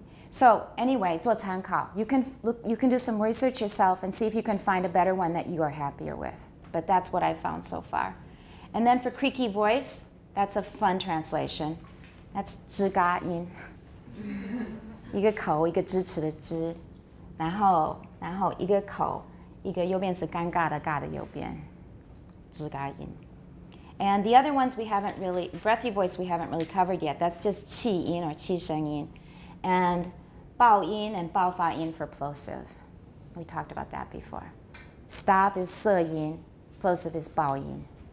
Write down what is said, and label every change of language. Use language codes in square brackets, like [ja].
[en] So anyway, [zh] 做参考, [en] you can do some research yourself and see if you can find a better one that you are happier with. But that's what I've found so far. And then for creaky voice, that's a fun translation. That's [zh] 吱嘎音, 一个口一个支持的支, 然后一个口一个右边是尴尬的尬的右边, 吱嘎音. [en] And the other ones we haven't really, breathy voice we haven't really covered yet. That's just [zh] 气音 [en] or [zh] 气声音. [en] And [zh] 爆音 [en] and [zh] 爆发音 [en] for plosive. We talked about that before. Stop is [zh] 色音, [en] plosive is [zh] 爆音.